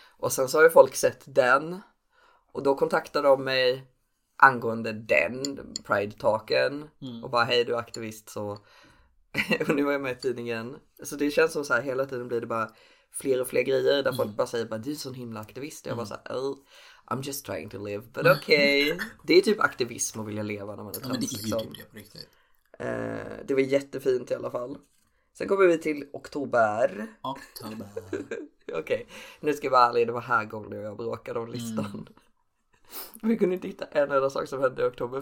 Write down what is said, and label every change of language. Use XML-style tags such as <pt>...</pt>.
<sv>Och sen så har ju folk sett den. Och då kontaktade de mig angående den Pride-talken och bara, hej du är aktivist så. Och nu var jag med i tidningen. Så det känns som så här, hela tiden blir det bara fler och fler grejer där folk bara säger, du är sån himla aktivist. Jag bara såhär,</sv> <en>I'm just trying to live. But okay.</en> <sv>Det är typ aktivism att vilja leva när man är trans. Ja, men det är ju liksom typ det på riktigt. Det var jättefint i alla fall. Sen kommer vi till oktober. Okej, okay. Nu ska jag vara ärlig, det var här gången jag bråkade om listan. Vi kunde inte hitta en enda sak som hände i oktober.</sv>